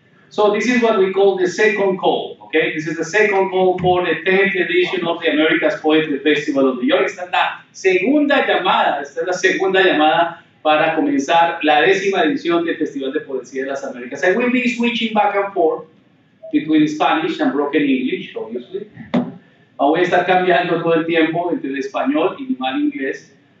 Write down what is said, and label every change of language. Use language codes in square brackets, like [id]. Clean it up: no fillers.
[en] So this is what we call the second call, okay? This is the second call for the 10th edition of the America's Poetry Festival of New York. [es] Esta es la segunda llamada, esta es la segunda llamada para comenzar la décima edición del Festival de Poesía de las Américas. [en] I will be switching back and forth between Spanish and broken English, obviously. [es] Voy a estar cambiando todo el tiempo entre el español y mal inglés.